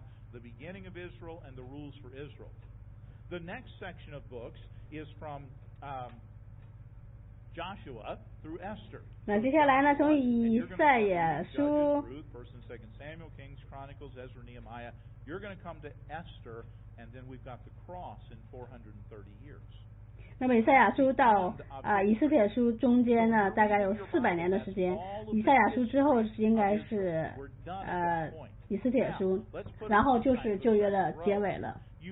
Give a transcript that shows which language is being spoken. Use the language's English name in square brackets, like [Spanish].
[English] The next section of books is from Joshua through Esther. [Chinese] 那接下来呢，从以赛亚书。 [English] Ruth, First and Second Samuel, Kings, Chronicles, Ezra, Nehemiah. You're going to come to Esther, and then we've got the cross in 430 years. [Chinese] 那么以赛亚书到以斯帖书中间呢，大概有400年的时间。以赛亚书之后应该是以斯帖书，然后就是旧约的结尾了。